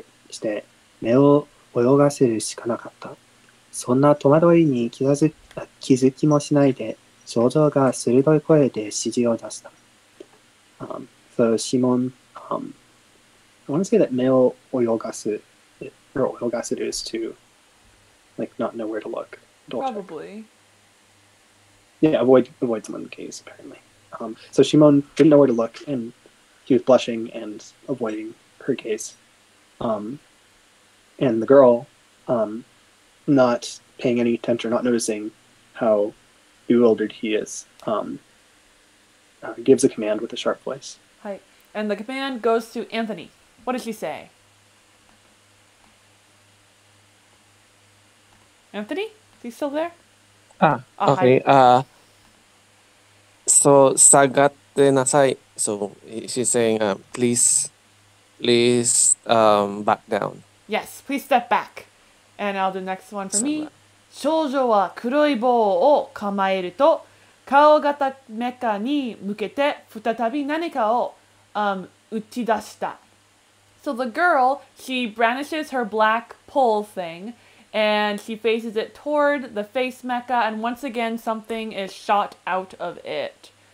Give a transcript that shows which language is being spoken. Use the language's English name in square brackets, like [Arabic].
[Japanese] して目を泳がせるしかなかった。そんな戸惑いに気づきもしないで、少女が鋭い声で指示を出した。 [English] So Shimon, I want to say that [Japanese] 目を泳がす [English] or [Japanese] 泳がせる [English] is to like not know where to look. Probably. Yeah, avoid some of the gaze apparently. So Shimon didn't know where to look and he was blushing and avoiding her gaze. And the girl, not paying any attention, not noticing how bewildered he is, gives a command with a sharp voice. Hi. And the command goes to Anthony. What did she say? Anthony? Is he still there? Okay. Hi. So, [Japanese] sagatte nasai. [English] So she's saying, please back down. Yes, please step back. And I'll do the next one for me. [Japanese] 少女は黒い棒を構えると顔型メカに向けて再び何かを打ち出した。 [English] So the girl, she brandishes her black pole thing and she faces it toward the face mecha and once again something is shot out of it.